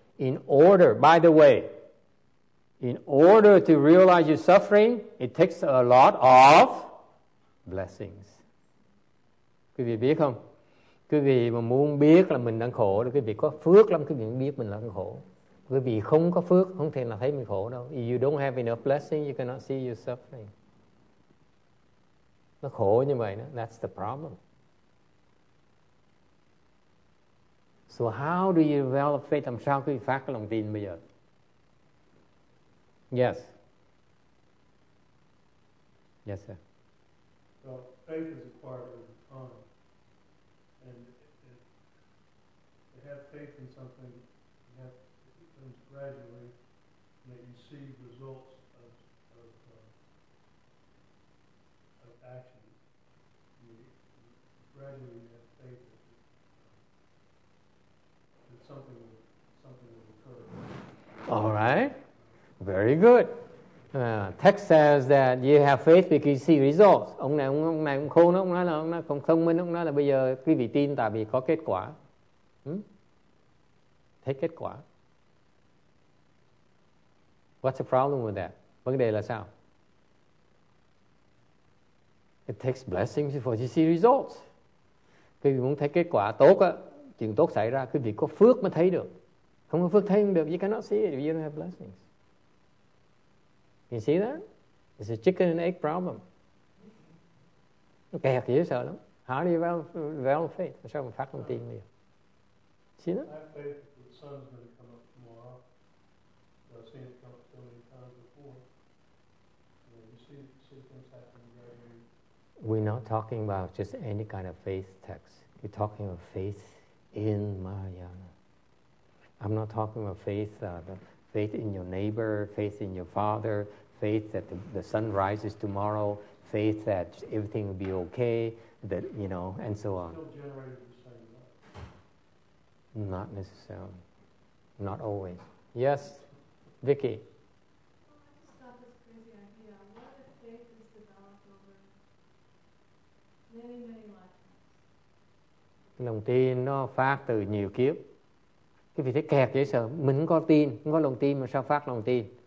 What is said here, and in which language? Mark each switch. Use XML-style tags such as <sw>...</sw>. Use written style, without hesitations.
<en>In order, by the way, in order to realize you're suffering, it takes a lot of blessings.</en> <vi>Quý vị biết không? Quý vị mà muốn biết là mình đang khổ thì quý vị có phước lắm, quý vị biết mình đang khổ. Quý vị không có phước, không thể nào thấy mình khổ đâu.</vi> <en>If you don't have enough blessing, you cannot see your suffering.</en> <vi>Nó khổ như vậy đó.</vi> <en>That's the problem. So how do you develop faith?</en> <vi>Làm sao quý vị phát cái lòng tin bây giờ?</vi> <en>Yes. Yes, sir. Well, faith is acquired over time. have faith in something, you have, it comes gradually, that you see results of action. Gradually you have faith that, that something will occur. All right. Very good. Text says that you have faith because you see results.</en> <vi>Ông này ông khôn, ông nói là ông nói không thông minh, ông nói là bây giờ quý vị tin tại vì có kết quả. Thấy kết quả.</vi> <en>What's the problem with that?</en> <vi>Vấn đề là sao?</vi> <en>It takes blessings for you to see results.</en> <vi>Quý vị muốn thấy kết quả tốt á, chuyện tốt xảy ra, quý vị có phước mới thấy được. Không có phước thấy không được,</vi> <en>you cannot see it if you don't have blessings. You see that? It's a chicken and egg problem. Okay,</en> <vi>dễ sợ lắm.</vi> <en>How do you develop faith?</en> <vi>Sao mình phát thông tin đi?</vi> <en>See that? I have faith that the sun's going to come up tomorrow. I've seen it come up so many times before. You see things happening right here. We're not talking about just any kind of faith text. We're talking about faith in Mahayana. I'm not talking about faith, faith in your neighbor, faith in your father, faith that the sun rises tomorrow, faith that everything will be okay, that, you know, and so on. Still generated the same way. Not necessarily. Not always. Yes, Vicky. Well, I just thought this crazy idea. What if faith is developed over many, many lifetimes?</en> <vi>Lòng tin nó phát từ nhiều kiếp. Cái vị thế kẹt dễ sợ. Mình không có tin, không có lòng tin mà sao phát lòng tin.</vi>